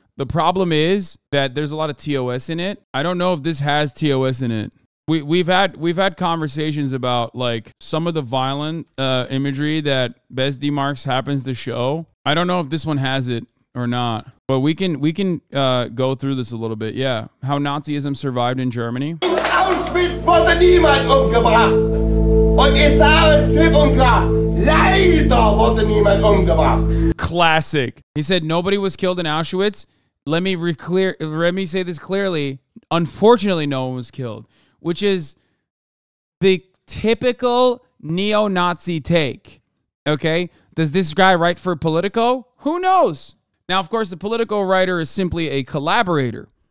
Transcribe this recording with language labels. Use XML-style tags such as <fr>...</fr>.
<en>The problem is that there's a lot of TOS in it. I don't know if this has TOS in it. We've had conversations about like some of the violent imagery that Bes D Marx happens to show. I don't know if this one has it or not. But we can go through this a little bit. Yeah. How Nazism survived in Germany.</en> <de>In Auschwitz wurde niemand umgebracht. Und ich sah es klipp und klar. Leider wurde niemand umgebracht.</de> <en>Classic. He said nobody was killed in Auschwitz. Let me say this clearly. Unfortunately, no one was killed, which is the typical neo-Nazi take. Okay? Does this guy write for Politico? Who knows? Now, of course, the political writer is simply a collaborator.</en>